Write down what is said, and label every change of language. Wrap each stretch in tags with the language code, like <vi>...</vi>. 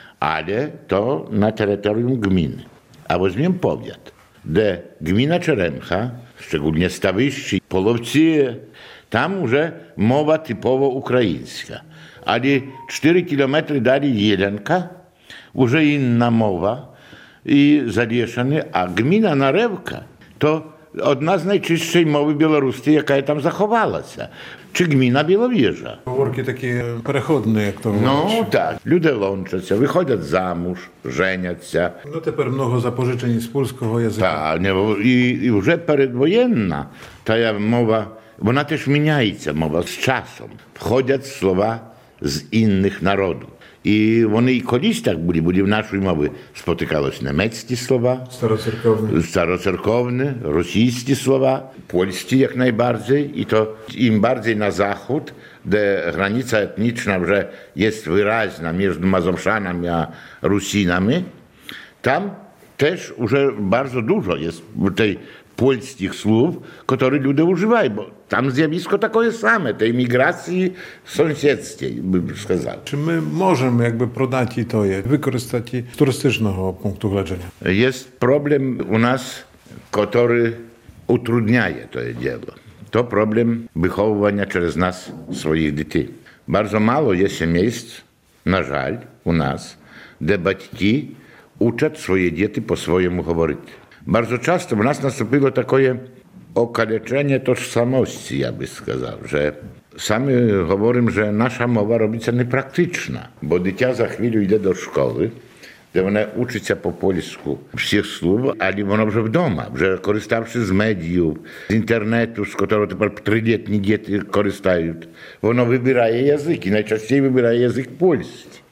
<pl>Ale to na terytorium gminy. A weźmiemy powiat, gdzie gmina Czeremcha, szczególnie Stawiści, Polowcy, tam już mowa typowo ukraińska. Ale 4 kilometry dalej Jelenka, już inna mowa i zalieszany, a gmina Narewka, to</pl> <uk>одна з найчищої мови білоруської, яка там заховалася. Чи гміна Біловіжа. Говорки такі переходні, як то говорить. Ну, так. Люди лончаться, виходять замуж, женяться. Ну, тепер много запожичень з польського язика. Так, і вже передвоєнна та мова, вона теж міняється, мова, з часом. Входять слова з інших народів. І вони і колись так були в нашій мові спотикались німецькі слова, староцерковні, російські слова, польські якнайбардзей, і то їм бардзей на захід, де границя етнічна вже є виразна між мазовшанами а русинами, там теж вже дуже дуже є тих польських слов, які люди вживають, бо</uk> <pl>tam zjawisko takie same, tej migracji sąsiedzkiej,</pl> <uk>bym сказав.</uk> <pl>Czy my możemy jakby prodać i to je, wykorzystać z turystycznego punktu widzenia? Jest problem u nas, który utrudnia to dzieło. To problem wychowywania przez nas swoich dzieci. Bardzo mało jest miejsc, na żal, u nas,</pl> <uk>де батьки учать свої діти по-своєму говорити. Дуже часто в нас наступило таке окалечення тожсамості, я би сказав, що саме говоримо, що наша мова робиться непрактична, бо дитя за хвилю йде до школи, де вона учиться по-польську всіх слов, але воно вже вдома, вже користавшись з медіїв, з інтернету, з якого тепер трилітні діти користають, воно вибирає язик, і найчастіше вибирає язик польський.</uk>